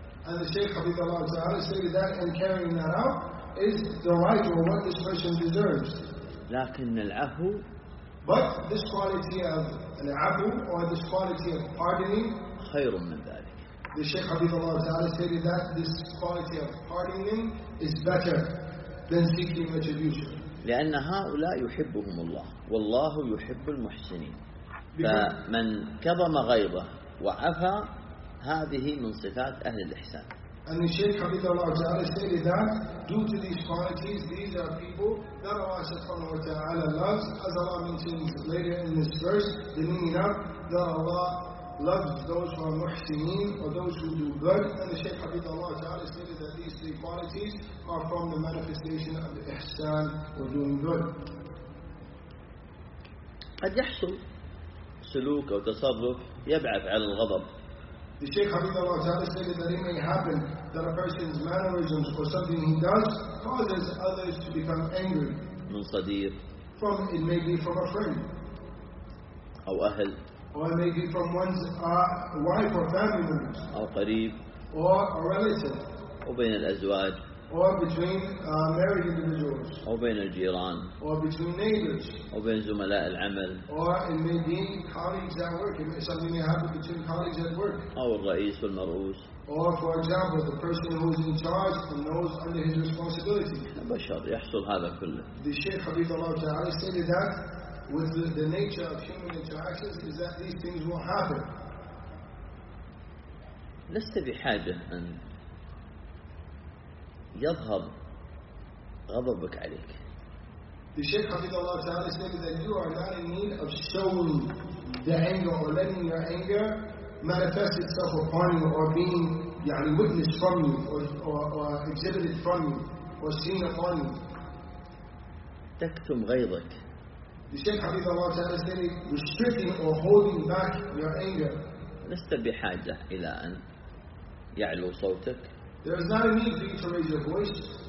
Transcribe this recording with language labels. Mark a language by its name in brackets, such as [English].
[English] And the Shaykh Habibullah Ta'ala stated that in carrying that out is the right or what this person deserves. [Arabic] لكن العفو. [English] But this quality of العفو, or this quality of pardoning, [Arabic] خير من ذلك. [English] The Shaykh Habibullah Ta'ala stated that this quality of pardoning is better than seeking retribution. [Arabic] لأن هؤلاء يحبهم الله والله يحب المحسنين. فمن كظم غيظه وعفى هذه من صفات أهل الإحسان. [English] And the Shaykh Habibullah Ta'ala stated that due to these qualities, these are people that Allah Subhanahu wa Ta'ala loves, as Allah mentions later in this verse, the meaning of that Allah loves those who are muhsineen, or those who do good. And the Shaykh Habibullah Ta'ala stated that these three qualities are from the manifestation of the ihsan, or doing good. [Arabic] قد يحصل سلوك أو تصرف يبعث على الغضب. [English] The Shaykh Habibullah Ta'ala stated that it may happen that a person's mannerisms or something he does causes others to become angry. [Arabic] من صديق. [English] From, it may be from a friend. [Arabic] أو أهل. [English] Or it may be from one's wife or family members. [Arabic] أو قريب. [English] Or a relative. [Arabic] أو بين الأزواج. [English] Or between married individuals. [Arabic] أو بين الجيران. [English] Or between neighbors. [Arabic] أو بين زملاء العمل. [English] Or it may be colleagues at work. Something may happen between colleagues at work. [Arabic] أو الرئيس المرؤوس. [English] Or, for example, the person who is in charge and knows under his responsibility. [Arabic] بشر يحصل هذا كله. [English] The Shaykh Habibullah Ta'ala stated that with the nature of human interactions is that these things will happen. [Arabic] لست بحاجة أن يظهر غضبك عليك. [English] The Shaykh Hafidhullah Ta'ala stated that you are not in need of showing the anger or letting your anger manifest itself upon you or being witnessed from you or exhibited from you or seen upon you. [Arabic] تكتم غيظك. [English] The Shaykh Hafidhullah Ta'ala stated restricting or holding back your anger. [Arabic] لست بحاجة إلى أن يعلو صوتك. [English] There is not a need for you to raise your voice.